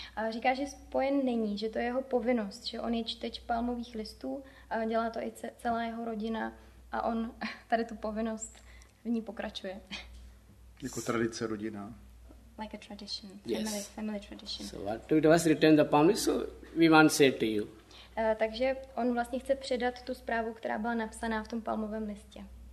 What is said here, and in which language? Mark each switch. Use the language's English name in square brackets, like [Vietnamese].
[Czech] Říká, že spojen není, že to je jeho povinnost, že on je čteč palmových listů, dělá to i celá jeho rodina a on tady tu povinnost v ní pokračuje. Jako tradice, rodina. [English] Like a tradition, family tradition. So what we do is return the palm leaves, so we want to say to you. [Czech] Takže on vlastně chce předat tu zprávu, která byla napsaná v tom palmovém listě.